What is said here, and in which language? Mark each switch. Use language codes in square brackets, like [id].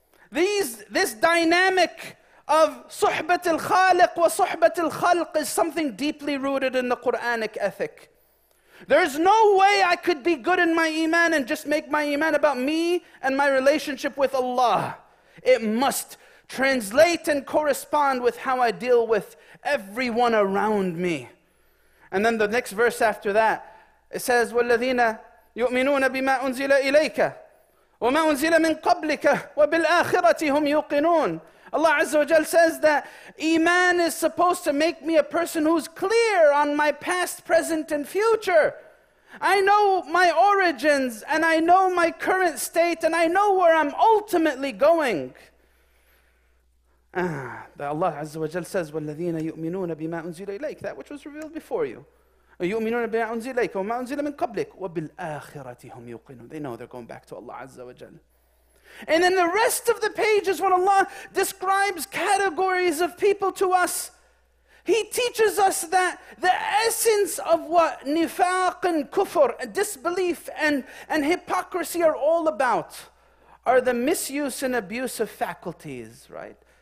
[en] This dynamic of [ar] صُحْبَةِ الْخَالِقِ وَصُحْبَةِ الْخَلْقِ [en] is something deeply rooted in the Quranic ethic. There's no way I could be good in my iman and just make my iman about me and my relationship with Allah. It must translate and correspond with how I deal with everyone around me. And then the next verse after that, it says, [ar] وَالَّذِينَ يُؤْمِنُونَ بِمَا أُنزِلَ إِلَيْكَ وَمَا أُنزِلَ مِنْ قَبْلِكَ وَبِالْآخِرَةِ هُمْ يُوقِنُونَ. [en] Allah Azza wa Jal says that Iman is supposed to make me a person who's clear on my past, present, and future. I know my origins, and I know my current state, and I know where I'm ultimately going. That Allah Azza wa Jal says, [ar] وَالَّذِينَ يُؤْمِنُونَ بِمَا أُنزِلَ إِلَيْكَ, [en] that which was revealed before you. [ar] يؤمنون بما أنزل إليك وما أنزل من قبلك وبالآخرة هم يوقنون. [en] They know they're going back to Allah Azza wa Jal. And then the rest of the pages, when Allah describes categories of people to us, He teaches us that the essence of what nifaq and kufr, disbelief and hypocrisy are all about, are the misuse and abuse of faculties, right?